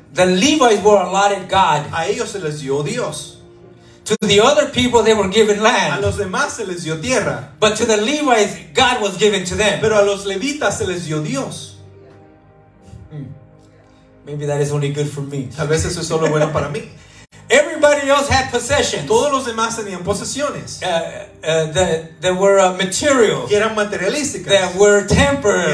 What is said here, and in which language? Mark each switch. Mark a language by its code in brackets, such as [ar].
[en] The Levites were allotted God. [es] A ellos se les dio Dios. [en] To the other people, they were given land. [es] A los demás se les dio tierra. [en] But to the Levites, God was given to them. [es] Pero a los levitas se les dio Dios. [en] Maybe that is only good for me. [es] A veces eso es solo bueno para mí. [en] Everybody else had possessions. [es] Todos los demás tenían posesiones. [en] There were material. [es] Que eran materialísticas. [en] That were temporary.